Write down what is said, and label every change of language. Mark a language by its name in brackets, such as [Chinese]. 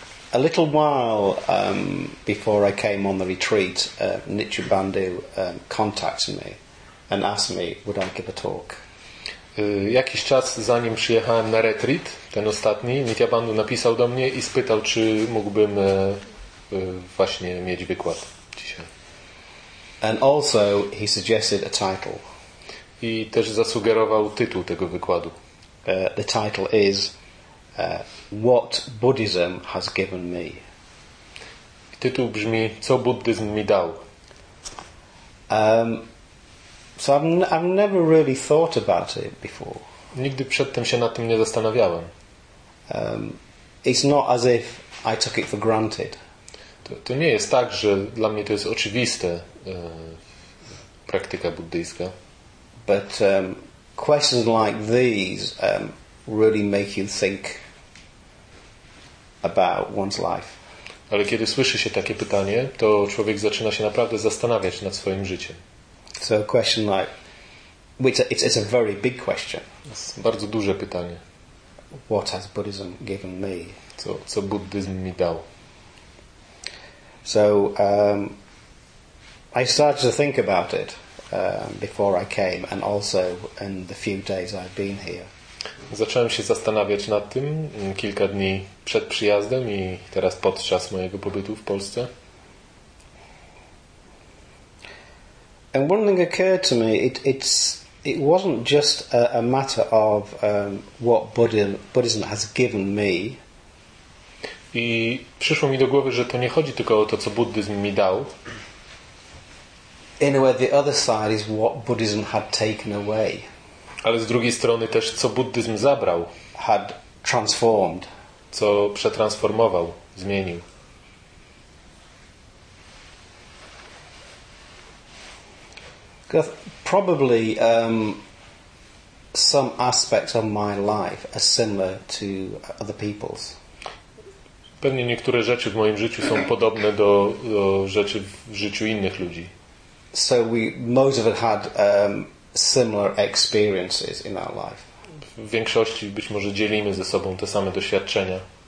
[English] A little while before I came on the retreat, Nichibandhu contacted me and asked me, would I give a talk? [Polish] Jakiś czas zanim przyjechałem na retreat, ten ostatni, Nichibandhu napisał do mnie i spytał, czy mógłbym właśnie mieć wykład dzisiaj. [English] And also he suggested a title. [Polish] I też zasugerował tytuł tego wykładu. [English] The title is What Buddhism Has Given Me. [Polish] I tytuł brzmi Co buddyzm mi dał. [English] So I've never really thought about it before. [Polish] Nigdy przedtem się nad tym nie zastanawiałem. [English] It's not as if I took it for granted. [Polish] To nie jest tak, że dla mnie to jest oczywiste praktyka buddyjska. [English] But questions like these really make you think about one's life. [Polish] Ale kiedy słyszy się takie pytanie, to człowiek zaczyna się naprawdę zastanawiać nad swoim życiem. [English] So a question like, which it's a very big question. [Polish] Jest bardzo duże pytanie. [English] What has Buddhism given me? [Polish] Co buddyzm mi dał? [English] So I started to think about it. Before I came, and also in the few days I've been here. [Polish] Zacząłem się zastanawiać nad tym kilka dni przed przyjazdem i teraz podczas mojego pobytu w Polsce. [English] And one thing occurred to me, it wasn't just a matter of what Buddhism has given me. [Polish] I przyszło mi do głowy, że to nie chodzi tylko o to, co buddyzm mi dał. [English] In a way, the other side is what Buddhism had taken away. [Polish] Ale z drugiej strony też, co buddyzm zabrał. [English] Had transformed. [Polish] Co przetransformował, zmienił. [English] Probably some aspects of my life are similar to other people's. [Polish] Pewnie niektóre rzeczy w moim życiu są podobne do rzeczy w życiu innych ludzi. [English] So we most of it had similar experiences in our life. [Polish] W większości być może dzielimy ze sobą te same doświadczenia.